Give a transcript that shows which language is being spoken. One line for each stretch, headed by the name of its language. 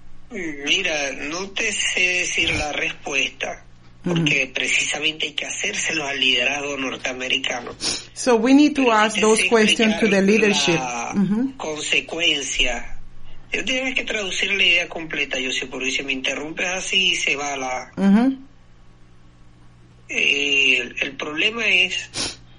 Spanish: Mira, no te sé decir la respuesta, porque precisamente hay que hacérselo al liderazgo norteamericano.
English: So we need to ask those questions to the leadership.
Spanish: Consecuencia. Yo tienes que traducir la idea completa, yo sé, porque si me interrumpes así se va la... El problema es...